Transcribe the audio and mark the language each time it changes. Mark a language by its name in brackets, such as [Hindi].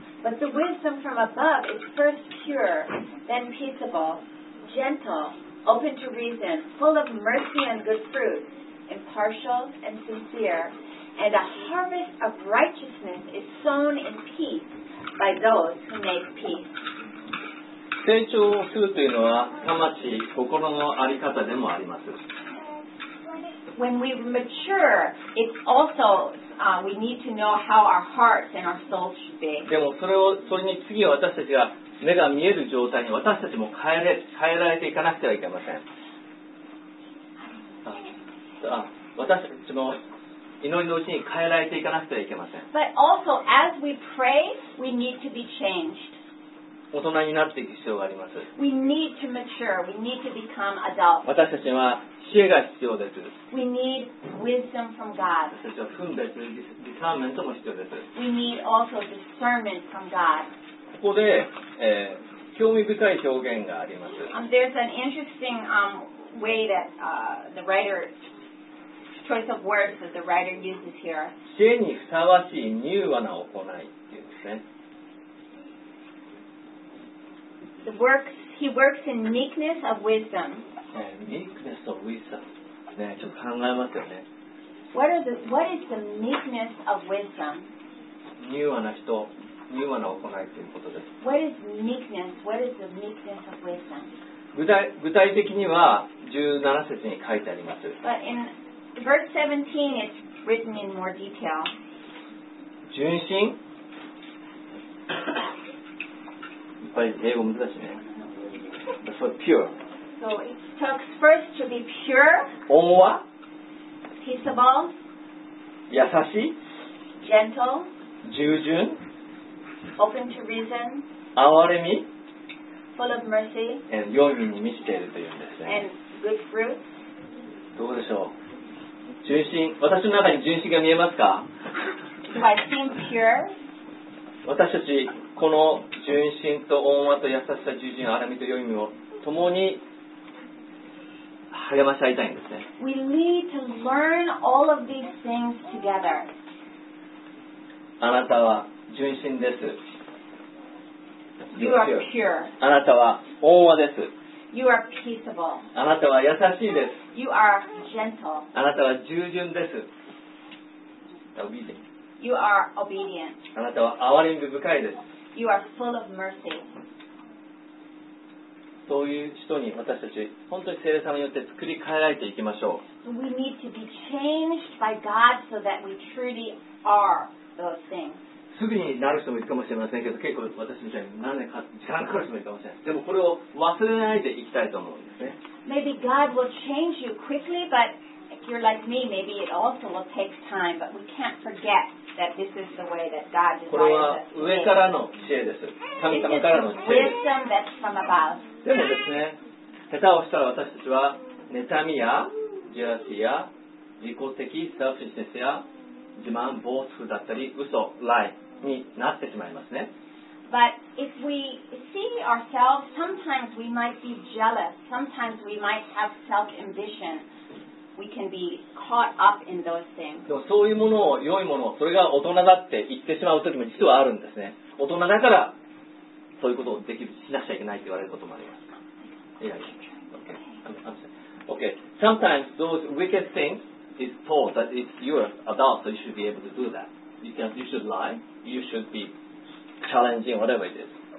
[English] But the wisdom from above is first pure, then peaceable, gentle, open to reason, full of mercy and good fruit, impartial and sincere. And a harvest of righteousness is sown in peace by those who make peace. [Japanese] 成長をするというのは魂、心の在り方でもあります。 [English] When we mature, it's also, we need to know how our hearts and our souls should be. [Japanese] でもそれに次は私たちが目が見える状態に私たちも変えられていかなくてはいけません。私たちも祈りのうちに変えられていかなくてはいけません。 [English] But also, as we pray, we need to be changed. [Japanese] 大人になっていく必要があります。 [English] We need to mature. We need to become adults. [Japanese] 私たちには知恵が必要です。 [English] We need wisdom from God. [Japanese] 私たちは分別、ディサーメントも必要です。 [English] We need also discernment from God. [Japanese] ここで、興味深い表現があります。 [English] There's an interesting, way that, the writer... choice of words that the writer uses here. [Japanese] 知恵にふさわしい柔和な行いっていうんですね。 [English] The works, he works in meekness of wisdom. Meekness of wisdom. [Japanese] ね、ちょっと考えますよね。 [English] What is the meekness of wisdom? [Japanese] 柔和な人、柔和な行いっていうことです。 [English] What is meekness? What is the meekness of wisdom? [Japanese] 具体的には17節に書いてあります。 [English] But inVerse 17 is written in more detail. [Japanese] 純真。やっぱり英語難しいね。 [English] So pure. So it talks first to be pure. [Japanese] 温和。 [English] Peaceable. [Japanese] 優しい。 [English] Gentle. [Japanese] 従順。 [English] Open to reason. [Japanese] 憐れみ。 [English] Full of mercy. [Japanese] And 良い身に満ちているというんですね。 [English] And good fruits. [Japanese] どうでしょう。純真、私の中に純真が見えますか？ [English] Do I seem pure? [Japanese] 私たちこの純真と温和と優しさ、従順、荒みと良い意味を共に励まし合いたいんですね。 [English] We need to learn all of these things together. [Japanese] あなたは純真です。 [English] You are pure. [Japanese] あなたは温和です。 [English] You are peaceable. [Japanese] あなたは優しいです。 [English] You are gentle. [Japanese] あなたは従順です。Obedient. [English] You are obedient. [Japanese] あなたは憐れみ深いです。 [English] You are full of mercy. [Japanese] そういう人に私たち本当に聖霊様によって作り変えられていきましょう。 [English] We need to be changed by God so that we truly are those things. [Japanese] すぐになる人もいるかもしれませんけど、結構私みたいに何年か時間かかる人もいるかもしれません。でもこれを忘れないでいきたいと思うんですね。 [English] Maybe God will change you quickly, but if you're like me, maybe it also will take time. But we can't forget that this is the way that God desires us. [Japanese] これは上からの知恵です。神様からの知恵。 [English] This is the wisdom that's from above. [Japanese] でもですね、下手をしたら私たちは妬みやジェラシーや自己的セルフィッシュネスや自慢、暴走だったり、嘘、lie になってしまいますね。 [English] But if we see ourselves, sometimes we might be jealous. Sometimes we might have self-ambition. We can be caught up in those things. [Japanese] でもそういうものを、良いものを、それが大人だって言ってしまうときも実はあるんですね。大人だから、そういうことをできる、しなくちゃいけないって言われることもあります。 [English] Okay. Okay. Sometimes those wicked things,It's taught that if you're an adult, you should be able to do that. You should lie. You should be challenging, whatever it is.